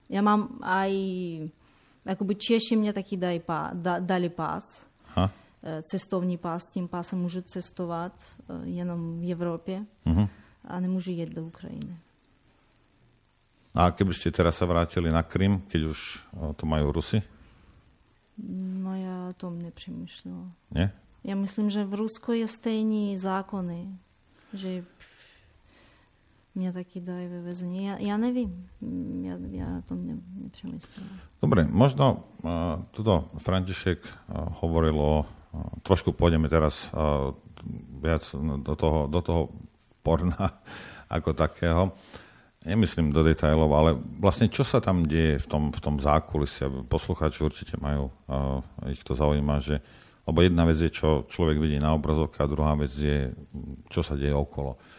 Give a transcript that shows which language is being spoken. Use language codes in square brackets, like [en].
[sk] Ja mám aj... Akoby Češi mne taký dali pas. Ha? Cestovný pas. Tým pasem môžu cestovať jenom v Európe. a nemôžu jeť do Ukrajiny. A keby ste teraz sa vrátili na Krym, keď už to majú Rusy? No ja o tom nepřemýšľala. Nie? [cs] Ja myslím, že v Rusku je stejný zákony, že mňa taký dajú ve väzení. Ja nevím. [sk] Ja o tom nepřemýšľala. Dobre, možno toto František hovoril o... trošku pôjdeme teraz viac do toho porna ako takého. Nemyslím do detailov, ale vlastne čo sa tam deje v tom zákulisi, aby poslucháči určite majú, ich to zaujíma, že, lebo jedna vec je, čo človek vidí na obrazovke a druhá vec je, čo sa deje okolo.